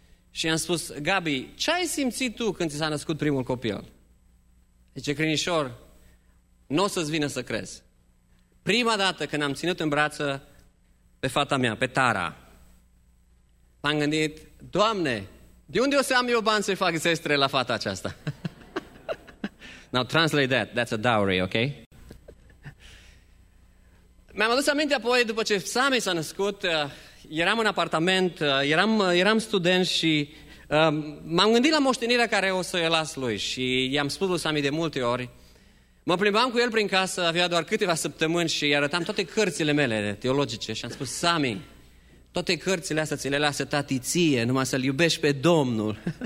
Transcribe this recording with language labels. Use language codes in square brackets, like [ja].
[ro] Și am spus, Gabi, ce ai simțit tu când ți s-a născut primul copil? Zice, crinișor, n-o să-ți vină să crezi. Prima dată când am ținut în brață pe fata mea, pe Tara, m-am gândit, Doamne, de unde o să am eu bani să-i fac zestre la fata aceasta? [en] Now translate that, that's a dowry, ok? [ro] Mi-am adus aminte apoi, după ce Sammy s-a născut, eram în apartament, eram student și m-am gândit la moștenirea care o să-i las lui și i-am spus lui Sammy de multe ori. Mă plimbam cu el prin casă, avea doar câteva săptămâni și arătam toate cărțile mele teologice și am spus, Sammy, toate cărțile astea ți le lasă tati ție, numai să-l iubești pe Domnul.